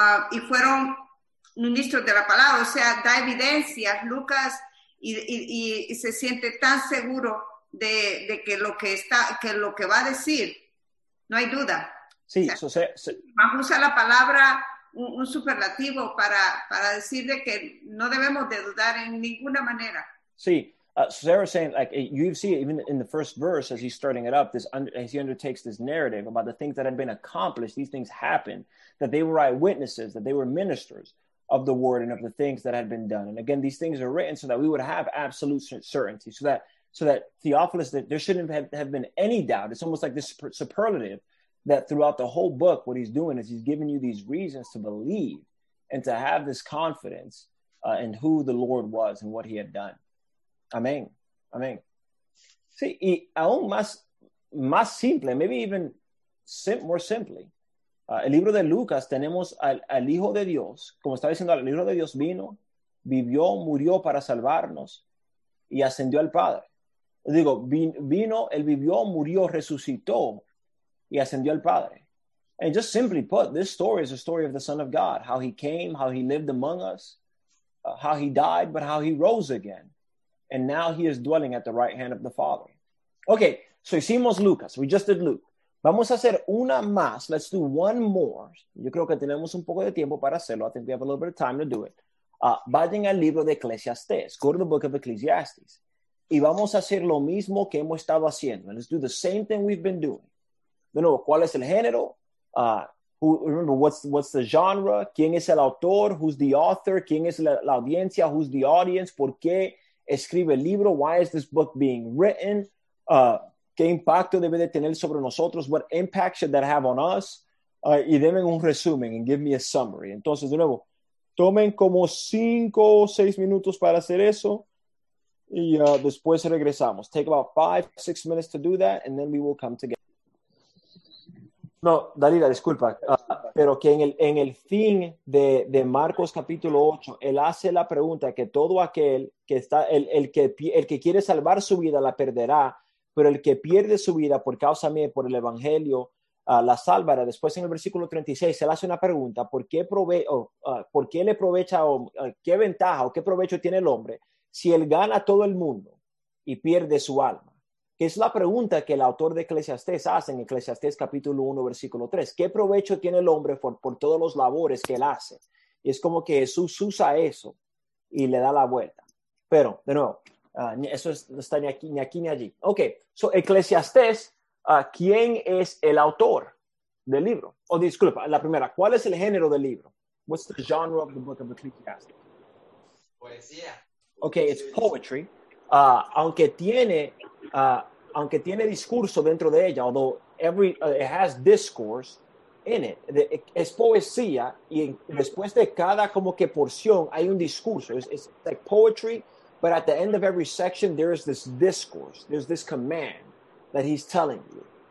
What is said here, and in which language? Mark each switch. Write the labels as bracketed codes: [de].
[es] y fueron ministros de la palabra, o sea, da evidencias Lucas y se siente tan seguro de que lo que está, que lo que va a decir, no hay duda. Sí, o sea, eso se más usa la palabra un superlativo para decir de que no debemos de dudar en ninguna manera. Sí, [en] Sarah's saying, like, you see it even in the first verse as he's starting it up, this as he undertakes this narrative about the things that had been accomplished, these things happened, that they were eyewitnesses, that they were ministers of the word and of the things that had been done. And again, these things are written so that we would have absolute certainty, so that Theophilus, that there shouldn't have been any doubt. It's almost like this superlative that throughout the whole book, what he's doing is he's giving you these reasons to believe and to have this confidence in who the Lord was and what he had done. [es] Amén. Amén. Sí, y aún más simple, [en] maybe even more simply. [es] El libro de Lucas, tenemos al Hijo de Dios. Como estaba diciendo, el Hijo de Dios vino, vivió, murió para salvarnos y ascendió al Padre. Digo, vino, él vivió, murió, resucitó y ascendió al Padre. [en] And just simply put, this story is a story of the Son of God, how he came, how he lived among us, how he died, but how he rose again. And now he is dwelling at the right hand of the Father. [es] Okay, so hicimos Lucas. [en] We just did Luke. [es] Vamos a hacer una más. [en] Let's do one more. [es] Yo creo que tenemos un poco de tiempo para hacerlo. [en] I think we have a little bit of time to do it. [es] Vayan al libro de Ecclesiastes. [en] Go to the book of Ecclesiastes. [es] Y vamos a hacer lo mismo que hemos estado haciendo. [en] Let's do the same thing we've been doing. [es] De nuevo, ¿cuál es el género? [en] Remember, what's the genre? [es] ¿Quién es el autor? [en] Who's the author? [es] ¿Quién es la audiencia? [en] Who's the audience? [es] ¿Por qué escribe el libro? [en] Why is this book being written? [es] ¿Qué impacto debe de tener sobre nosotros? [en] What impact should that have on us? [es] Y denme un resumen [en] and give me a summary. [es] Entonces, de nuevo, tomen como 5 o 6 minutos para hacer eso y después regresamos. [en] Take about 5 or 6 minutes to do that and then we will come together. [es] No, Dalila, disculpa. Pero que en el fin de Marcos capítulo 8, él hace la pregunta que todo aquel que está, el que quiere salvar su vida la perderá, pero el que pierde su vida por causa mía, por el evangelio, la salvará. Después en el versículo 36, él hace una pregunta, qué ventaja o qué provecho tiene el hombre si él gana todo el mundo y pierde su alma? Que es la pregunta que el autor de Eclesiastés hace en Eclesiastés capítulo 1, versículo 3. ¿Qué provecho tiene el hombre por todos los labores que él hace? Y es como que Jesús usa eso y le da la vuelta. Pero, de nuevo, eso no está ni aquí ni allí. Ok, so Eclesiastés, ¿quién es el autor del libro? Disculpa, la primera, ¿cuál es el género del libro? [en] What's the genre of the book of Ecclesiastes? [es] Poesía. [en] Ok, it's poetry. [es] Aunque tiene discurso dentro de ella, [en] although it has discourse in it, [es] es poesía y después de cada como que porción hay un discurso. [en] It's like poetry, but at the end of every section there is this discourse, there's this command that he's telling you.